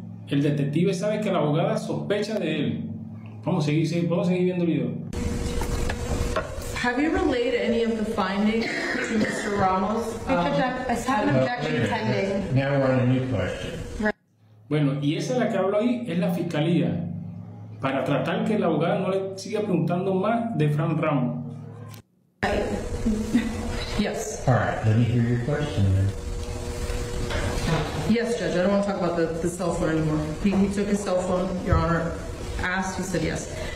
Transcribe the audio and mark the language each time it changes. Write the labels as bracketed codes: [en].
[es] El detective sabe que la abogada sospecha de él. Vamos a seguir viendo el video. [en] Have you relayed any of the findings to Mr. Ramos? Because I have an objection pending. Now we're on a new question. [es] Bueno, y esa es la que hablo ahí, es la fiscalía. Para tratar que la abogada no le siga preguntando más de Frank Ramos. [en] Yes. All right, let me hear your question then. Yes, Judge, I don't want to talk about the cell phone anymore. He took his cell phone, Your Honor asked, he said yes.